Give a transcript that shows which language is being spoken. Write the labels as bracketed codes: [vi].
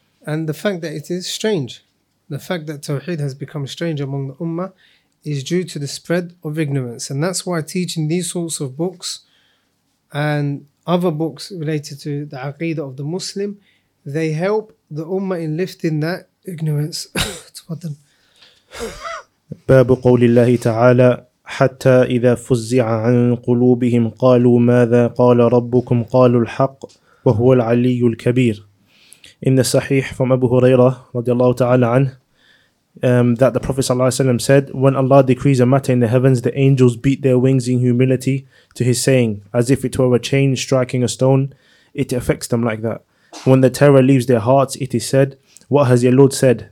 [en] And the fact that it is strange, the fact that Tawheed has become strange among the Ummah, is due to the spread of ignorance. And that's why teaching these sorts of books and other books related to the Aqeedah of the Muslim, they help the Ummah in lifting that ignorance. [ar] Babu qawlillahi ta'ala. حتى إذا فزع عن قلوبهم قالوا ماذا قال ربكم قالوا الحق وهو العلي الكبير. [en] In the Sahih from Abu Huraira [ar] رضي الله تعالى عنه, [en] that the Prophet [ar] صلى الله عليه وسلم [en] said, when Allah decrees a matter in the heavens, the angels beat their wings in humility to his saying, as if it were a chain striking a stone, it affects them like that. When the terror leaves their hearts, it is said, what has your Lord said?